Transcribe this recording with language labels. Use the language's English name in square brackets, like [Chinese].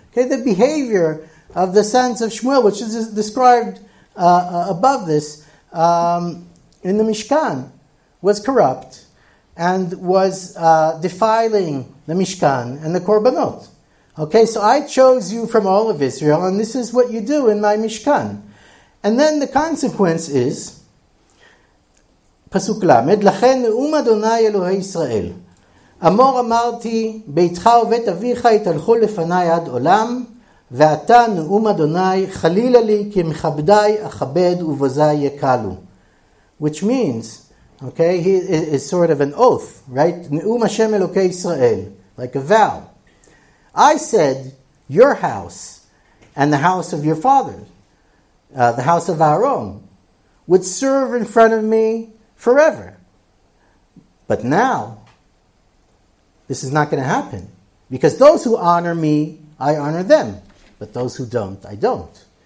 [English] Okay, the behavior of the sons of Shmuel, which is described above this, in the Mishkan, was corrupt and was defiling the Mishkan and the Korbanot. Okay, so I chose you from all of Israel, and this is what you do in my Mishkan. And then the consequence is, [Hebrew] פסוק למד, לכן נאום אדוני אלוהי ישראל. אמור אמרתי, ביתך ובית אביך יתהלכו לפני עד עולם, ואתה נאום אדוני חלילה לי כי מכבדי אכבד ובוזי יקלו. [English] Which means, okay, he is sort of an oath, right? [Hebrew] נאום השם אלוקי ישראל, [English] like a vow. I said, your house and the house of your father, the house of Aaron, would serve in front of me forever. But now, this is not going to happen. Because those who honor me, I honor them. But those who don't, I don't.